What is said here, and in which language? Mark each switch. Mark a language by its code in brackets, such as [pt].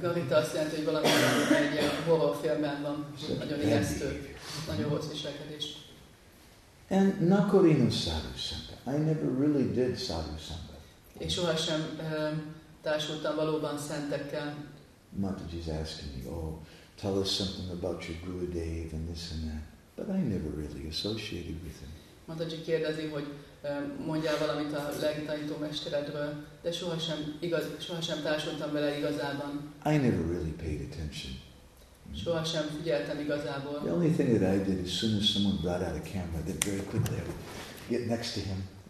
[hu] Garita azt jelenti, hogy valami egy ilyen horror filmben van. So nagyon ijesztő. Nagyon rossz viselkedés. [en] And [bn] nakorino sadhusanga. [en] I never really did sadhusanga. [hu] És sohasem társultam valóban szentekkel. [en] Mataji is asking me, oh, tell us something about your Gurudev and this and that. But I never really associated with him. [hu] Mataji kérdezi, hogy mondjál valamit a legtanító mesteredről, de sohasem igaz, sohasem társultam vele igazában. [en] I never really paid attention. [hu] Sohasem figyeltem igazából. [en] The only thing that I did, as soon as someone brought out a camera, then very quickly I would get next to him.